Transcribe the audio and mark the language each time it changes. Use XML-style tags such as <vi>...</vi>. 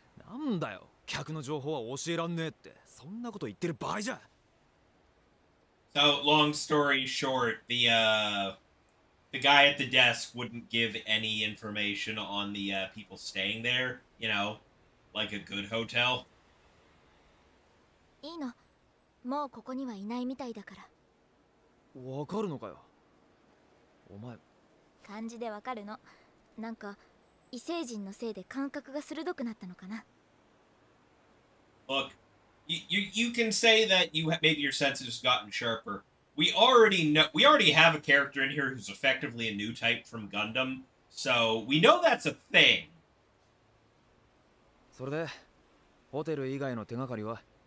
<ja>なんだよ、客の情報は教えらんねえって、そんなこと言ってる場合じゃ。</ja> <en>So, long story short, the, the guy at the desk wouldn't give any information on the people staying there, you know, like a good hotel.</en> <ja>いいの。もうここにはいないみたいだから。わかるのかよ。お前。感じでわかるの。なんか異星人のせいで感覚が鋭くなったのかな。</ja> <en>Look, you can say that you maybe your senses have gotten sharper. We already know we already have a character in here who's effectively a new type from Gundam, so we know that's a thing.</en> <ja>それでホテル以外の手がかりは。</ja>